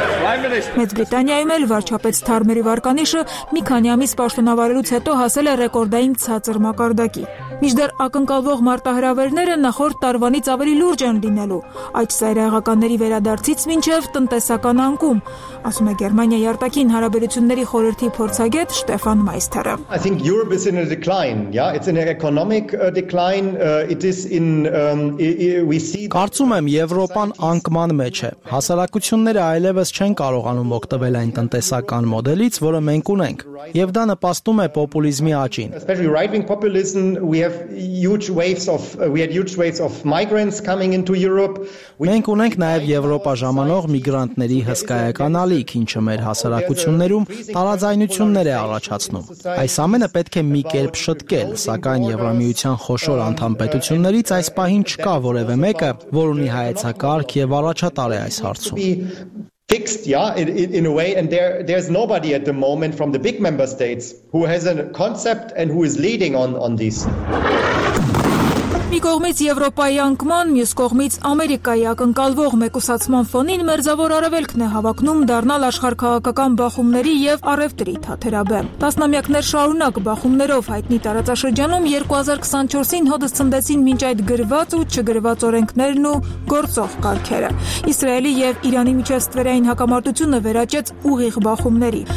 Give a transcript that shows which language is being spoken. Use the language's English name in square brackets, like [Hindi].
[Armenian] Մեծ Բրիտանիայում էլ վարչապետ Սթարմերի վարկանիշը մի քանի ամիս պաշտոնավարելուց հետո հասել է ռեկորդային ցածր մակարդակի։ Միջդեռ ակնկալվող մարտահրավերները նախորդ տարվանից ավելի լուրջ են լինելու, այդ ծայրահեղականների վերադարձից մինչև տնտեսական անկում, ասում է Գերմանիայի արտաքին հարաբերությունների խորհրդի փորձագետ Ստեֆան Մայսթերը։ [English] I think Europe is in a decline, yeah, it's in an economic decline, it is in we see [Armenian] Կարծում եմ Եվրոպան անկման մեջ է։ Հասարակությունները այլևս չեն կարողանում օգտվել այն տնտեսական մոդելից, որը մենք ունենք, եւ դա նպաստում է պոպուլիզմի աճին։ [English] We had huge waves of migrants coming into Europe. [Armenian] Մենք ունենք նաև Եվրոպա ժամանող միգրանտների հսկայական ալիք, ինչը մեր հասարակություններում տարաձայնություններ է առաջացնում։ Այս ամենը պետք է մի կերպ շտկել, սակայն Եվրամիության խոշոր անդամ պետություններից այս պահին չկա որևէ մեկը, որ ունի հայեցակարգ եւ առաջատար է այս հարցում։ [English] Fixed, yeah, in a way, and there's nobody at the moment from the big member states who has a concept and who is leading on this. [Armenian] Մի կողմից Եվրոպայի անկման, մյուս կողմից Ամերիկայի ակնկալվող մեկուսացման ֆոնին մերձավոր արևելքն է հավակնում դառնալ աշխարհքաղաքական բախումների եւ առևտրի թատերաբեմ։ Տասնամյակներ շարունակ բախումներով հայտնի տարածաշրջանում 2024-ին հոդս ցնդեցին մինչ այդ գրված ու չգրված օրենքներն ու գործող կարգերը։ Իսրայելի եւ Իրանի միջև ստվերային հակամարտությունը վերաճեց ուղիղ բախումների։